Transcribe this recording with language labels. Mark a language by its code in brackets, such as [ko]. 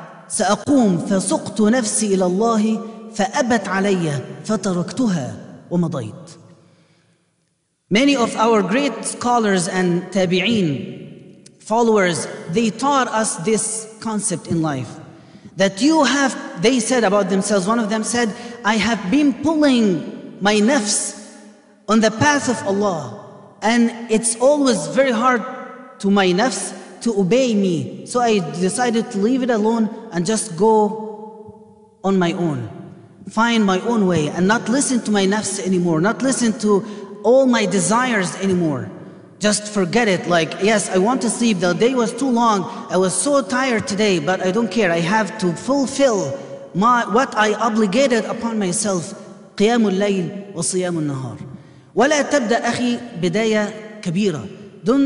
[ar] سأقوم فسقت نفسي إلى الله فأبت علي فتركتها ومضيت [en] Many of our great scholars and tabi'een, followers, they taught us this concept in life. That you have, they said about themselves, one of them said, I have been pulling my nafs on the path of Allah. And it's always very hard to my nafs to obey me. So I decided to leave it alone and just go on my own. Find my own way and not listen to my nafs anymore, not listen to all my desires anymore. Just forget it. Like, yes, I want to sleep. The day was too long. I was so tired today, but I don't care. I have to fulfill what I obligated upon myself. [ar] قيام الليل وصيام النهار. ولا تبدأ أخي بداية كبيرة.